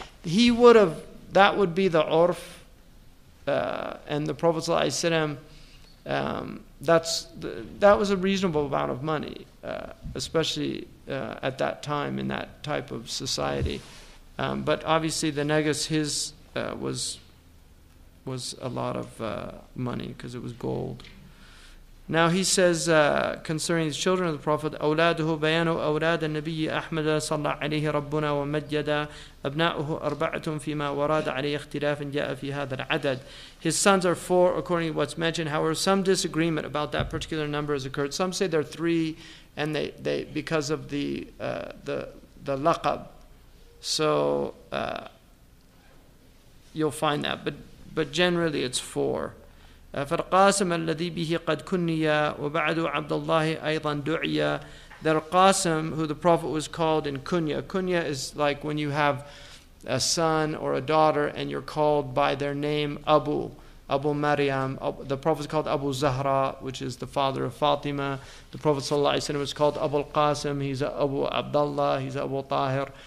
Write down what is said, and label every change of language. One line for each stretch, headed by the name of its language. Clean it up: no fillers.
English: He would have, that would be the urf, and the Prophet ﷺ, that was a reasonable amount of money, especially at that time in that type of society. But obviously the negus, his was a lot of money because it was gold. Now he says concerning his children of the Prophet,
Arabic: أَوْلَادُهُ بَيَانُ أَوْلَادَ النَّبِيِّ أَحْمَدَ صَلَّى عَلَيْهِ رَبُّنَا وَمَجَّدَ أَبْنَاؤُهُ أَرْبَعَةٌ فِيمَا وَرَادَ عَلَيْهِ اخْتِلَافٍ جَاءَ فِي هَذَا الْعَدَدِ.
English: His sons are four according to what's mentioned. However, some disagreement about that particular number has occurred. Some say they're three, and they because of the laqab. So you'll find that. But generally it's four.
Arabic: فالقاسم الذي به قد كنيا وبعد عبد الله أيضا دعيا.
English: That Qasim, who the Prophet was called in kunya. Kunya is like when you have a son or a daughter and you're called by their name Abu, Abu Maryam. The Prophet is called Abu Zahra, which is the father of Fatima. The Prophet ﷺ was called Abu al-Qasim. He's Abu Abdullah. He's Abu Tahir.